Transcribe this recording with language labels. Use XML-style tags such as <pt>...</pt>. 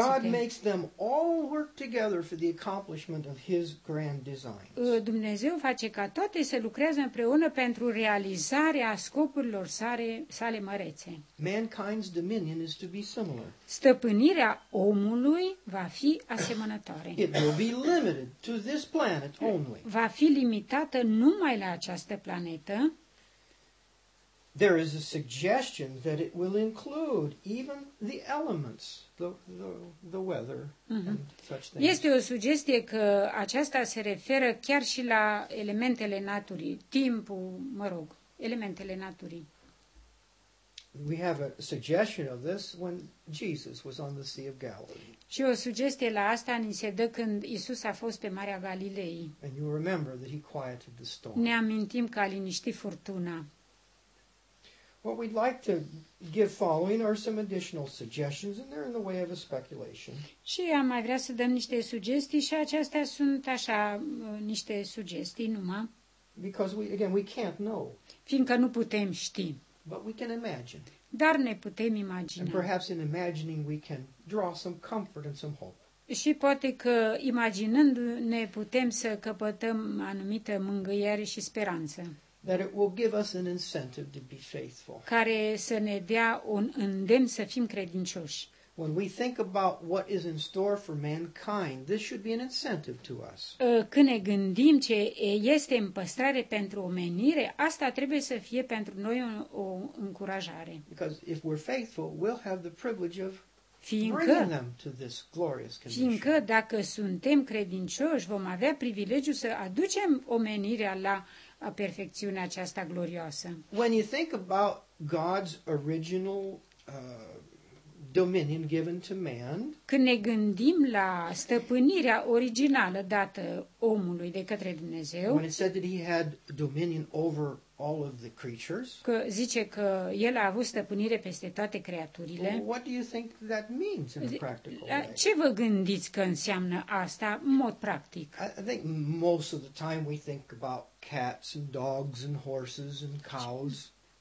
<en>God makes them all work together for the accomplishment of his grand designs.</en> <ro>Dumnezeu face ca toate să lucreze împreună pentru realizarea scopurilor sale mărețe.</ro> <en>Mankind's dominion is to be similar.</en> <ro>Stăpânirea omului va fi asemănătoare.</ro> <en>It will be limited to this planet only.</en> <ro>Va fi limitată numai la această planetă.</ro> <en>There is a suggestion that it will include even the elements, the weather, and such things.</en> <ro>Este o sugestie că aceasta se referă chiar și la elementele naturii, timpul, mă rog, elementele naturii.</ro> <en>We have a suggestion of this when Jesus was on the Sea of Galilee.</en> <ro>Și o sugestie la asta ni se dă când Iisus a fost pe Marea Galilei.</ro> <en>And you remember that he quieted the storm.</en> <ro>Ne amintim că a liniștit furtuna.</ro> <en>What we'd like to give following are some additional suggestions, and they're in the way of a speculation.</en> <ro>Și am mai vrea să dăm niște sugestii și acestea sunt așa niște sugestii numai.</ro> <en>Because we can't know.</en> <ro>Fiindcă nu putem ști.</ro> <en>But we can imagine.</en> <ro>Dar ne putem imagina.</ro> <en>And perhaps in imagining we can draw some comfort and some hope.</en> <ro>Și poate că imaginându-ne putem să căpătăm anumită mângâiere și speranță.</ro> <en>That it will give us an incentive to be faithful.</en> <ro>Care să ne dea un îndemn să fim credincioși.</ro> <en>When we think about what is in store for mankind, this should be an incentive to us.</en> <ro>Când ne gândim ce este în păstrare pentru omenire, asta trebuie să fie pentru noi o încurajare.</ro> <en>Because if we're faithful, we'll have the privilege of bringing them to this glorious condition.</en> <ro>Fiindcă dacă suntem credincioși, vom avea privilegiul să aducem omenirea la perfecțiunea aceasta glorioasă.</ro> <en>When you think about God's original dominion given to man.</en> <ro>Când ne gândim la stăpânirea originală dată omului de către Dumnezeu.</ro> <en>When it said that he had dominion over all of the creatures.</en> <ro>Că zice că el a avut stăpânire peste toate creaturile.</ro> <en>Well, what do you think that means in a practical way?</en> <ro>Ce vă gândiți că înseamnă asta în mod practic?</ro> <en>I think most of the time we think about cats and dogs and horses and cows.</en>